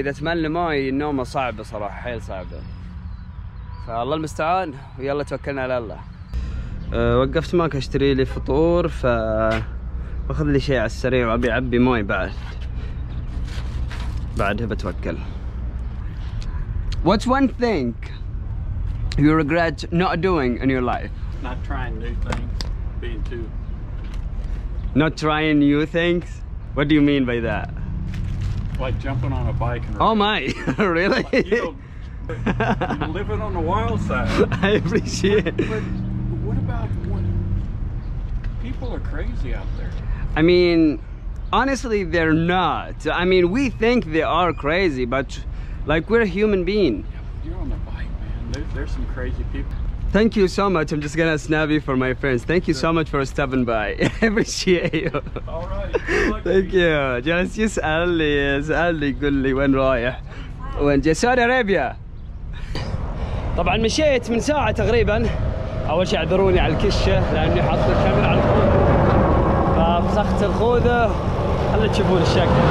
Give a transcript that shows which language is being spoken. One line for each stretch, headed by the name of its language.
Arabic: اذا تملى ماي النومه صعبه صراحه، حيل صعبه. فالله المستعان، ويلا توكلنا على الله. وقفت ماك اشتري لي فطور، فاخذ لي شيء على السريع وابي اعبي ماي بعدها بتوكل.
English: What's one thing you regret not doing in your life? Not trying new things, being too. Not trying new things? What do you mean by that? Like jumping on a bike. Oh my, really? You're living on the wild side. I appreciate it. But what about what? People are crazy out there. I mean, honestly, they're not. I mean, we think they are crazy, but like, we're a human being. You're on the bike, man. There's some crazy people. Thank you so much. I'm just gonna snap you for my friends. Thank you so much for stopping by. I appreciate you. Thank you.
Arabic: Just يسألني يقول لي وين رايح. وين جاي؟ سعودي عربيا. طبعا مشيت من ساعة تقريبا. أول شيء عذروني على الكشة لأني حاط الكاميرا على الخوذة. فمسخت الخوذة. هلا تشوفون الشكل.